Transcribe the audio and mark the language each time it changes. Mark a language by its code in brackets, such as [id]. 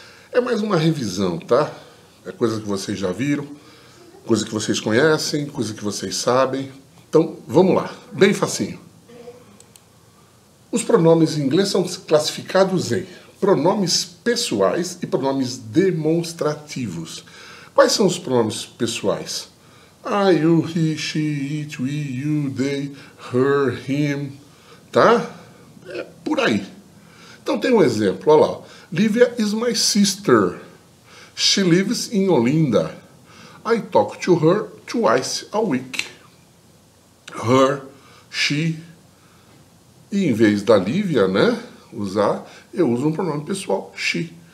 [pt] É mais uma revisão, tá? É coisa que vocês já viram, coisa que vocês conhecem, coisa que vocês sabem. Então, vamos lá, bem facinho. Os pronomes em inglês são classificados em pronomes pessoais e pronomes demonstrativos. Quais são os pronomes pessoais? [en] I, you, he, she, it, we, you, they, her, him, tá? [pt] É por aí. Então tem um exemplo, olha lá. [en] Lívia is my sister. She lives in Olinda. I talk to her twice a week. Her, she. [pt] E em vez da Lívia, né, usar, eu uso um pronome pessoal, she.